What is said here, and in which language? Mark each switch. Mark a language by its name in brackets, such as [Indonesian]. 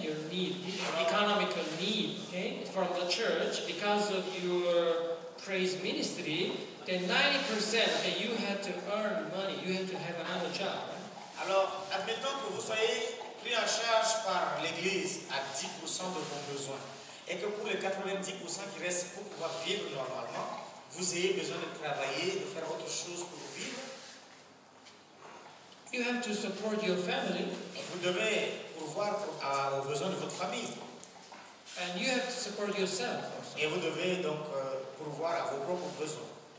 [English] Your need, economical need, okay? From the church because of your praise ministry, then 90% that you have to earn money, you have to have another job. [French] Alors, admettons que vous soyez pris en charge par l'église à 10% de vos besoins. Et que pour les 90% qui restent pour pouvoir vivre normalement, vous ayez besoin de travailler, de faire autre chose pour vivre. [English] You have to support your family. [French] Vous devez pourvoir aux besoins de votre famille. [English] And you have to support yourself also. [French] Et vous devez donc pourvoir à vos propres besoins.